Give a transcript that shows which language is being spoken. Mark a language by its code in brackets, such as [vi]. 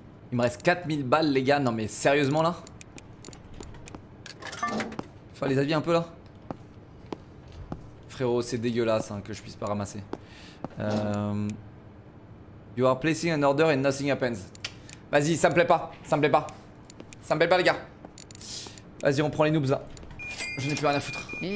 [fr] Il me reste 4000 balles les gars, non mais sérieusement là? Faut les avis un peu là? Frérot, c'est dégueulasse hein, que je puisse pas ramasser. [en] You are placing an order and nothing happens. [fr] Vas-y, ça me plaît pas, ça me plaît pas. Ça me plaît pas les gars. Vas-y, on prend les noobs là. Je n'ai plus rien à foutre.